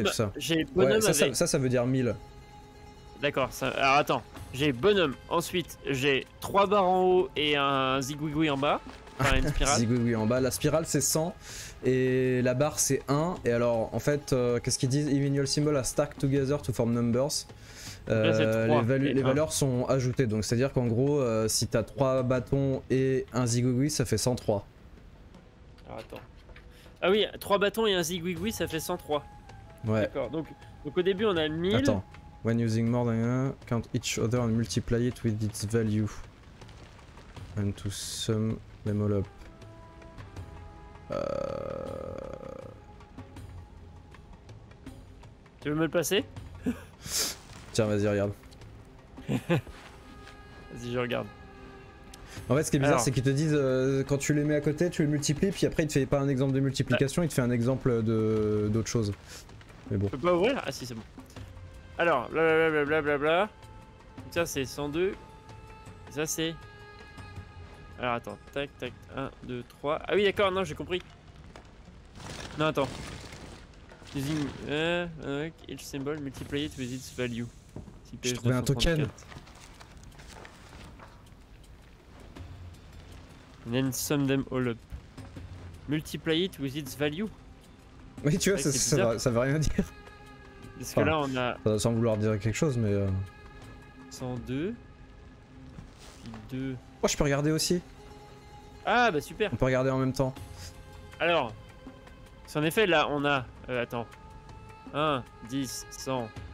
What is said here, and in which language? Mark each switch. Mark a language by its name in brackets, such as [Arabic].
[French] et tout ça. J'ai bonhomme ouais, avec... Ça veut dire 1000. D'accord, ça... alors attends. J'ai bonhomme, ensuite j'ai 3 barres en haut et un zigouigoui en bas. Enfin, zigouigoui en bas, la spirale c'est 100. Et la barre c'est 1. Et alors en fait, qu'est-ce qu'ils disent? [English] Even your symbol are stacked together to form numbers. [French] Les valeurs sont ajoutées, donc c'est à dire qu'en gros, si t'as 3 bâtons et un zigouigoui, ça fait 103. Alors attends. Ah oui, 3 bâtons et un zigouigoui, ça fait 103. Ouais. D'accord, donc au début on a 1000. Attends. [English] When using more than one, count each other and multiply it with its value. And to sum them all up. [French] Tu veux me le passer? Tiens, vas-y, regarde. Vas-y, je regarde. En fait, ce qui est bizarre, alors, c'est qu'ils te disent quand tu les mets à côté, tu les multiplies, puis après, il te fait pas un exemple de multiplication, ouais. Il te fait un exemple d'autre chose. Mais bon. Tu peux pas ouvrir? Ah, si, c'est bon. Alors, blablabla. Ça, c'est 102. Ça, c'est. Alors, attends. Tac, tac. 1, 2, 3. Ah, oui, d'accord, non, j'ai compris. Non, attends. [English] Using each symbol multiply it with its value. [French] J'ai trouvé un token. [English] And then sum them all up. Multiply it with its value. [French] Mais tu vois, ça veut rien dire. Parce enfin, que là on a... Ça, sans vouloir dire quelque chose mais... 102. Puis 2. Oh je peux regarder aussi. Ah bah super. On peut regarder en même temps. Alors... Si en effet là on a... attends. 1, 10, 100.